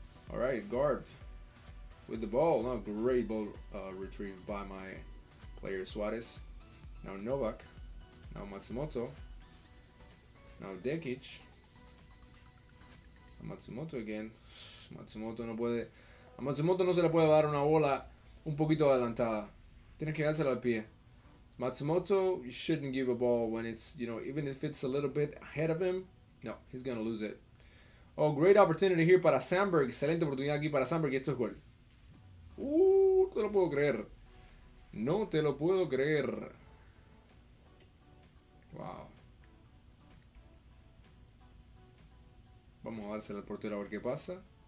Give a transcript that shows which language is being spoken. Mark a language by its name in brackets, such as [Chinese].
[English] All right, guard with the ball. No, great ball retrieved by my player Suarez. Now Novak. Now Matsumoto. Now Dekic. Matsumoto again. [Spanish] Matsumoto no se le puede dar una bola un poquito adelantada. Tiene que dársela al pie. [English] Matsumoto, you shouldn't give a ball when it's, you know, even if it's a little bit ahead of him. No, he's gonna lose it. Oh, great opportunity here [Spanish] para [English] Sandberg. [Spanish] Excelente oportunidad aquí para Sandberg. Y esto es gol. No te lo puedo creer. No te lo puedo creer. [English] Wow. [Spanish] Vamos a dársela al portero a ver qué pasa.